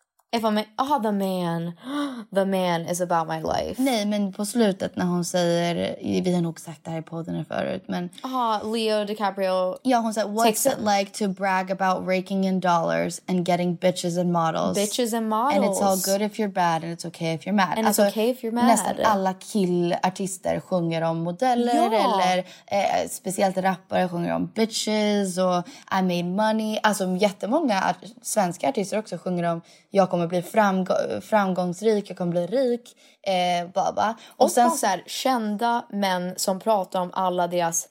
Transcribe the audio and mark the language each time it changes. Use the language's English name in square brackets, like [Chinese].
[English] If I'm the man is about my life. [Swedish] Nej, men på slutet när hon säger, vi har nog sagt det här i podden förut, men... Aha, Leo DiCaprio. Ja, hon säger, [English] what's it like to brag about raking in dollars and getting bitches and models? Bitches and models. And it's all good if you're bad and it's okay if you're mad. And alltså, it's okay if you're mad. [Swedish] Nästan alla killartister sjunger om modeller, ja. Eller speciellt rappare sjunger om bitches och [English] I made money. [Swedish] Alltså jättemånga svenska artister också sjunger om, jag kommer bli framgångsrik, jag kommer bli rik, baba. Och sen så här, kända män som pratar om alla deras